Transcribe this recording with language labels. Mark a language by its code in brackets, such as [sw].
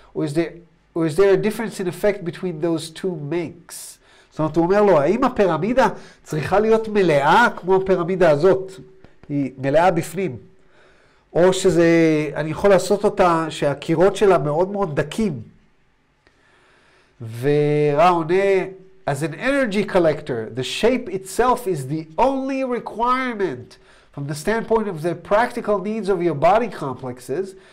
[en] Or is there a difference in effect between those two makes? [he] זאת אומרת, הוא אומר לו, האם הפירמידה צריכה להיות מלאה כמו הפירמידה הזאת? היא מלאה בפנים. או שזה, אני יכול לעשות אותה שהקירות שלה מאוד מאוד דקים. ורא עונה, [en] As an energy collector, the shape itself is the only requirement from the standpoint of the practical needs of your body complexes.